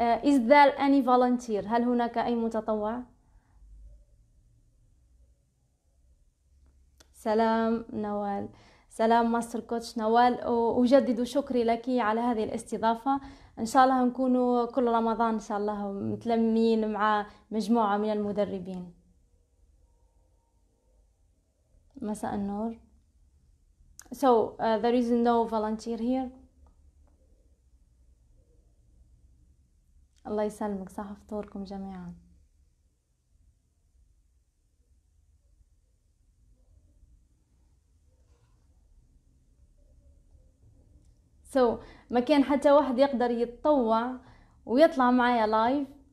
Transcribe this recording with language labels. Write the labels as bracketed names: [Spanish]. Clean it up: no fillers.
[English] Is there any volunteer؟ [Arabic] هل هناك اي متطوع؟ سلام نوال، سلام ماستر كوتش نوال، وجدد شكري لك على هذه الاستضافة. إن شاء الله نكون كل رمضان إن شاء الله متلمين مع مجموعة من المدربين. مساء النور. [English] So, there is no volunteer here. [Arabic] الله يسلمك، صح فطوركم جميعا. [English] So, [Arabic] ما كان حتى واحد يقدر يتطوع ويطلع معايا لايف.